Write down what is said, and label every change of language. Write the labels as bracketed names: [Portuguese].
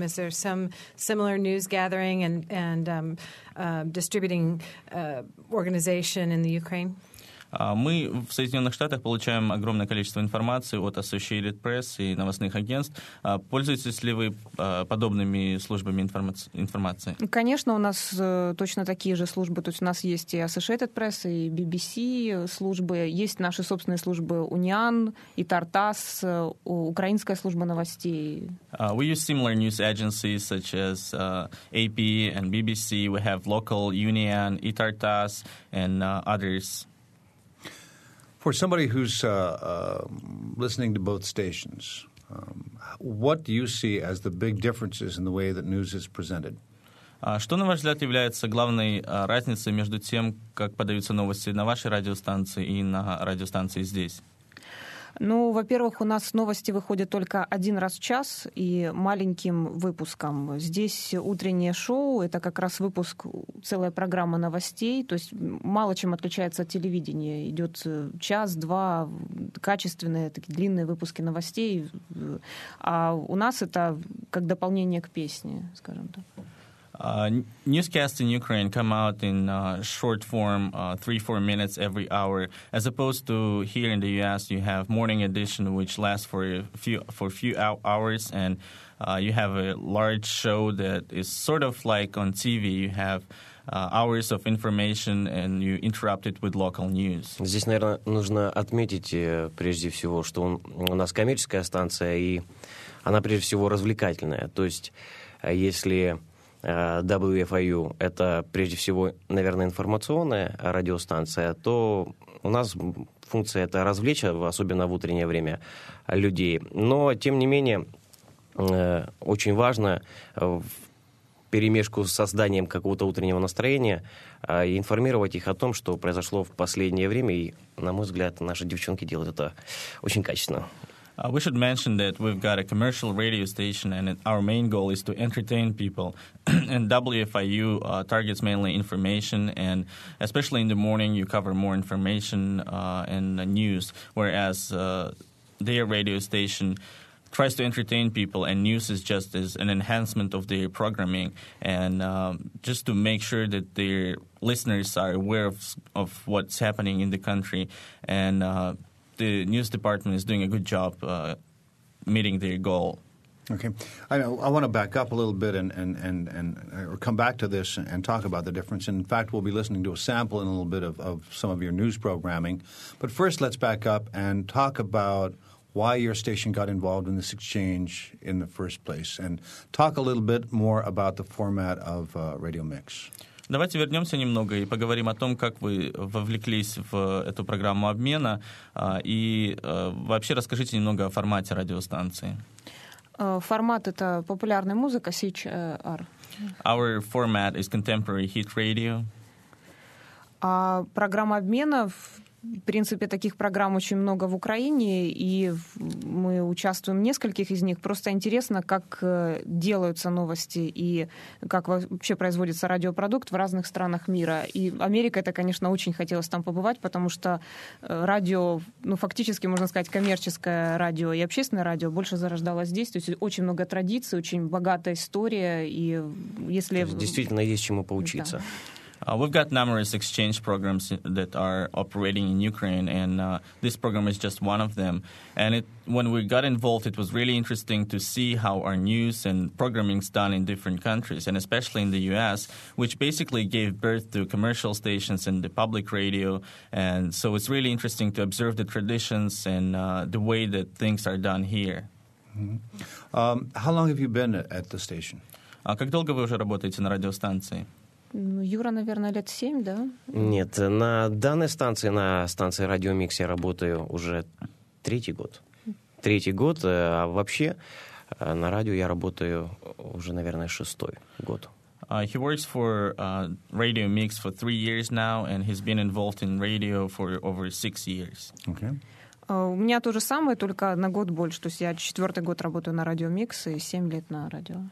[English] Is there some similar news gathering distributing organization in the Ukraine? [Russian] Мы в Соединенных Штатах получаем огромное количество информации от Associated Press и новостных агентств. Пользуетесь ли вы подобными службами информации? Конечно, у нас точно такие же службы. То есть у нас есть и Associated Press, и BBC службы. Есть наши собственные службы Униан и Тартас, украинская служба новостей. [English] We use similar news agencies such as AP and BBC. We have local Union, и Тартас, and others. For somebody who's listening to both stations, what do you see as the big differences in the way that news is presented? [Russian] Что, на ваш взгляд, является главной разницей между тем, как подаются новости на вашей радиостанции и на радиостанции здесь? Ну, во-первых, у нас новости выходят только один раз в час и маленьким выпуском. Здесь утреннее шоу, это как раз выпуск, целая программа новостей, то есть мало чем отличается от телевидения. Идет час-два, качественные, такие длинные выпуски новостей, а у нас это как дополнение к песне, скажем так. [English] Newscasts in Ukraine come out in short form, 3-4 minutes every hour, as opposed to here in the U.S. you have morning edition, which lasts for a few hours, and you have a large show that is sort of like on TV. You have hours of information, and you interrupt it with local news. [Russian] Здесь, наверное, нужно отметить прежде всего, что у нас коммерческая станция, и она прежде всего развлекательная. То есть, если WFIU — это, прежде всего, наверное, информационная радиостанция, то у нас функция — это развлечь, особенно в утреннее время, людей. Но, тем не менее, очень важно в перемешку с созданием какого-то утреннего настроения информировать их о том, что произошло в последнее время, и, на мой взгляд, наши девчонки делают это очень качественно. [English] We should mention that we've got a commercial radio station, and our main goal is to entertain people. And WFIU targets mainly information, and especially in the morning, you cover more information and news, whereas their radio station tries to entertain people, and news is just as an enhancement of their programming, and just to make sure that their listeners are aware of what's happening in the country, and the news department is doing a good job meeting their goal. Okay. I want to back up a little bit and come back to this and talk about the difference. In fact, we'll be listening to a sample in a little bit of some of your news programming. But first, let's back up and talk about why your station got involved in this exchange in the first place. And talk a little bit more about the format of Radio Mix. [Russian] Давайте вернемся немного и поговорим о том, как вы вовлеклись в эту программу обмена, и вообще расскажите немного о формате радиостанции. Формат — это популярная музыка, CHR. [English] Our format is contemporary hit radio. [Russian] А программа обмена, в принципе, таких программ очень много в Украине, и мы участвуем в нескольких из них. Просто интересно, как делаются новости и как вообще производится радиопродукт в разных странах мира. И Америка, это, конечно, очень хотелось там побывать, потому что радио, ну, фактически, можно сказать, коммерческое радио и общественное радио больше зарождалось здесь. То есть очень много традиций, очень богатая история. И если... То есть действительно есть чему поучиться. Да. [English] We've got numerous exchange programs that are operating in Ukraine, and this program is just one of them. And when we got involved, it was really interesting to see how our news and programming is done in different countries, and especially in the U.S., which basically gave birth to commercial stations and the public radio. And so it's really interesting to observe the traditions and the way that things are done here. Mm-hmm. How long have you been at the station? [Russian] Как долго вы уже работаете на радиостанции? Ну, Юра, наверное, лет 7, да? Нет, на данной станции, на станции Radio Mix, я работаю уже третий год. Третий год, а вообще на радио я работаю уже, наверное, шестой год. [English] He works for Radio Mix for 3 years now, and he's been involved in radio for over 6 years. Okay. [Russian] У меня то же самое, только на год больше. То есть я четвертый год работаю на Radio Mix и 7 лет на радио.